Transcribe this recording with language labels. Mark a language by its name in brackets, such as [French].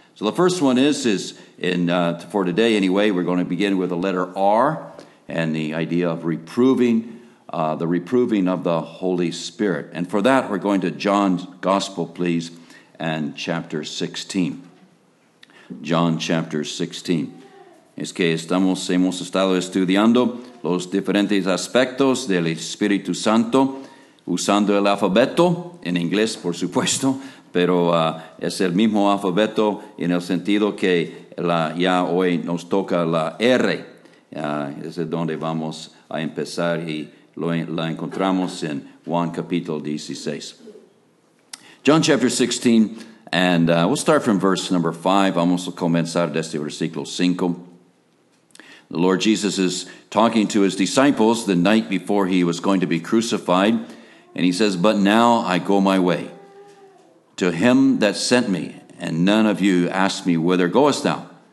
[English] So the first one is for today anyway, we're going to begin with the letter R and the idea of reproving of the Holy Spirit. And for that, we're going to John's Gospel, please, and chapter 16. John chapter 16. [Spanish] Es que hemos estado estudiando los diferentes aspectos del Espíritu Santo usando el alfabeto, en inglés, por supuesto, pero es el mismo alfabeto en el sentido que ya hoy nos toca la R. Es donde vamos a empezar y la encontramos en Juan capítulo 16. [English] John chapter 16, and we'll start from verse number 5. [Spanish] Vamos a comenzar desde versículo 5. [English] The Lord Jesus is talking to his disciples the night before he was going to be crucified, and he says, "But now I go my way to him that sent me, and none of you ask me, whither goest thou?